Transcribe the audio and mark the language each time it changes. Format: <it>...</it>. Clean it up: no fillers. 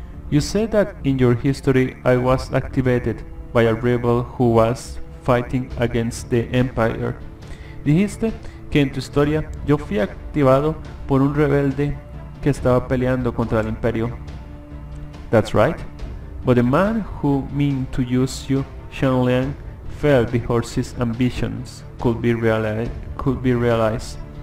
<en>You said that in your history I was activated by a rebel who was fighting against the Empire.</en> <es>Dijiste que en tu historia yo fui activado por un rebelde que estaba peleando contra el Imperio.</es> <en>That's right. But the man who meant to use you, Shang Liang, fell before his ambitions could be realized.</en>